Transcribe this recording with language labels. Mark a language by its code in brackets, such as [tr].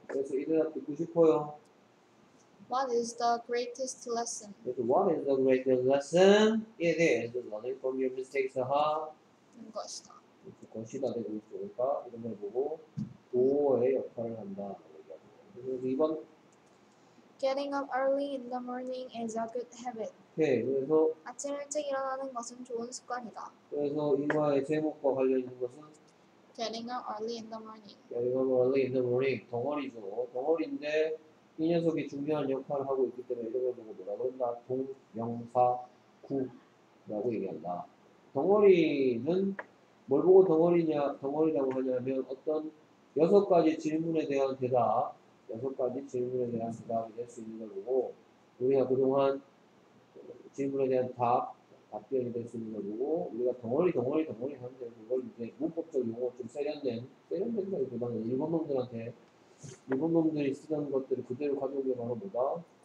[ko] 그래서 이 대답 듣고 싶어요. [en] What is the greatest lesson? What is the greatest lesson? It is learning from your mistakes. 하. [ko] 것이다 되고 있을까? 이런 걸 보고 보호의 역할을 한다. 2번. [en] Getting up early in the morning is a good habit. [ko] 오케이. 그래서 아침 일찍 일어나는 것은 좋은 습관이다. 그래서 이거의 제목과 관련 있는 것은 [en] Getting up early in the morning. Getting up early in the morning. [ko] 덩어리죠. 덩어리인데 이 녀석이 중요한 역할을 하고 있기 때문에 이런 걸 보고 뭐라고 한다? 동명사구라고 얘기한다. 덩어리는 뭘 보고 덩어리냐, 덩어리라고 하냐면 어떤 여섯 가지 질문에 대한 대답, 여섯 가지 질문에 대한 대답이 될 수 있는 걸 보고, 우리가 그동안 질문에 대한 답, 답변이 될 수 있는 걸 보고, 우리가 덩어리 하는데, 그걸 이제 문법적 용어 좀 세련된다, 이렇게 말하는 일본 놈들한테, 일본 놈들이 쓰던 것들을 그대로 가져온 게 바로 뭐다?